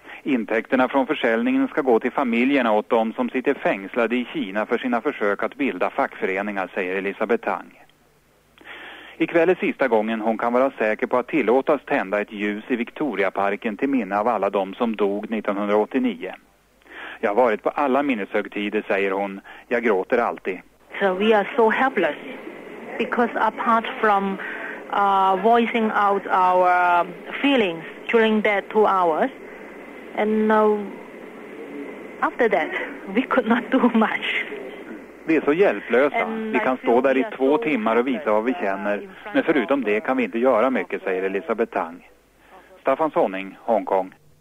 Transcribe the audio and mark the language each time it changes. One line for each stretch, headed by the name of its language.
Swedish: Intäkterna från försäljningen ska gå till familjerna åt de som sitter fängslade i Kina för sina försök att bilda fackföreningar, säger Elisabeth Tang. Ikväll är sista gången hon kan vara säker på att tillåtas tända ett ljus i Victoriaparken till minne av alla de som dog 1989. Jag har varit på alla minneshögtider, säger hon. Jag gråter alltid.
English: So we are so helpless because apart from voicing out our feelings during that 2 hours, and after that we could not do much.
Swedish: Vi är så hjälplösa. Vi kan stå där i 2 timmar och visa vad vi känner. Men förutom det kan vi inte göra mycket, säger Elisabeth Tang. Staffan Sonning, Hongkong.